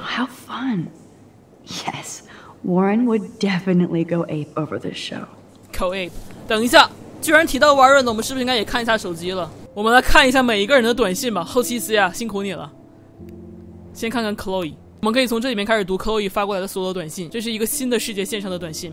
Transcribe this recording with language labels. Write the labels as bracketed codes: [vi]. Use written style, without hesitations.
[en] How fun! Yes, Warren would definitely go ape over this show. Go ape. [zh] 等一下，居然提到 Warren 了，我们是不是应该也看一下手机了？我们来看一下每一个人的短信吧，后期思呀，辛苦你了。先看看 Chloe。我们可以从这里面开始读 Chloe 发过来的所有短信。这是一个新的世界线上的短信。